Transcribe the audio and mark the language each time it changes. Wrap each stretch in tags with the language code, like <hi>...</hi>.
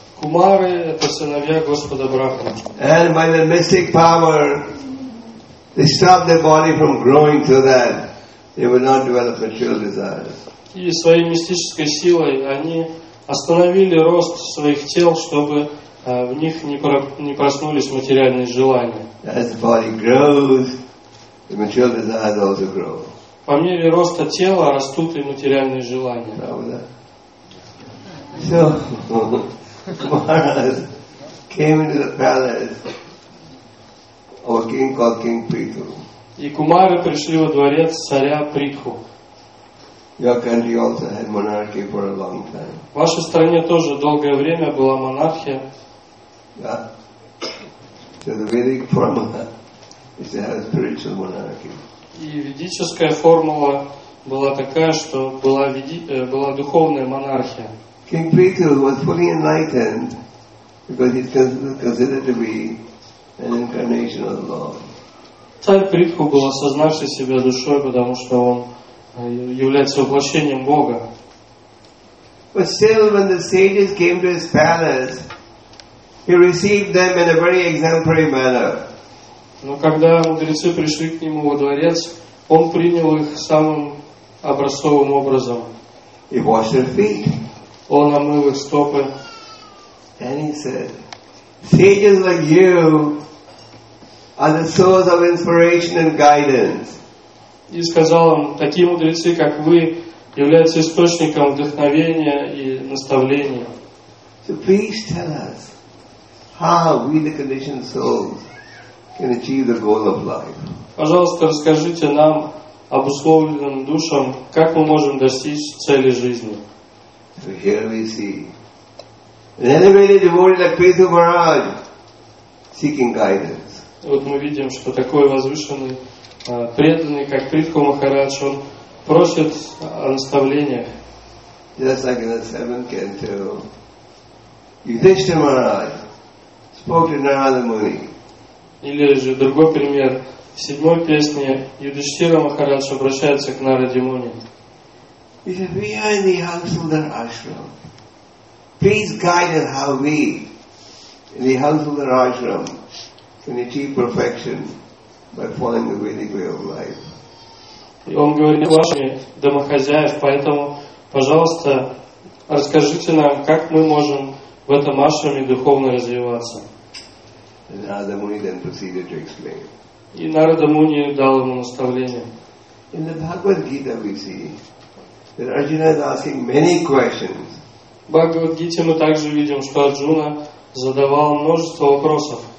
<ru>Кумары — это сыновья Господа Брахмы.</ru> <en>And by the mystic power, they stopped their body from growing to that. They would not develop material desires.</en> <ru>И своей мистической силой они остановили рост своих тел, чтобы в них не проснулись материальные желания.</ru> <en>As the body grows, the material desires also grow.</en> <ru>По мере роста тела растут и материальные желания. Правда?</ru> <en>So, Kumaras came into the palace of a king called King Prithu.</en> <ru>И кумары пришли во дворец царя Притху.</ru> <en>Your country also had monarchy for a long time.</en> <ru>В вашей стране тоже долгое время была монархия.</ru> <en>Yeah. So the Vedic formula is to have a spiritual monarchy.</en> <ru>И ведическая формула была такая, что была духовная монархия.</ru> <en>King Prithu was fully enlightened because he was considered to be an incarnation of the Lord.</en> <ru>Царь Притху был осознавший себя душой, потому что он является воплощением Бога.</ru> <en>But still, when the sages came to his palace, he received them in a very exemplary manner.</en> <ru>Но когда мудрецы пришли к нему во дворец, он принял их самым образцовым образом.</ru> <en>He washed their feet.</en> <ru>Он омыл их стопы.</ru> <en>And he said, "Sages like you are the source of inspiration and guidance."</en> <ru>И сказал им, такие мудрецы, как вы, являются источником вдохновения и наставления.</ru> <en>So please tell us how we, the conditioned souls, can achieve the goal of life.</en> <ru>Пожалуйста, расскажите нам, обусловленным душам, как мы можем достичь цели жизни.</ru> <en>So here we see an elevated devotee like Prithu Maharaj seeking guidance.</en> <ru>Вот мы видим, что такой возвышенный преданный, как Притху Махарадж, он просит о наставлениях.</ru> <en>Just like in the seventh canto, Yudhishthira Maharaj spoke to Narada Muni.</en> <ru>Или же другой пример. В седьмой песне Юдиштхира Махарадж обращается к Нараде Муни.</ru> <en>He said, "We are in the household of ashram. Please guide us how we, in the household of ashram, can achieve perfection by following the Vedic way of life."</en> <ru>И он говорит, ваши домохозяев, поэтому, пожалуйста, расскажите нам, как мы можем в этом ашраме духовно развиваться.</ru> <en>And Narada Muni then proceeded to explain.</en> <ru>И Нарада Муни дал ему наставление.</ru> <en>In the Bhagavad Gita we see that Arjuna is asking many questions.</en> <ru>В Бхагавад Гите мы также видим, что Арджуна задавал множество вопросов.</ru>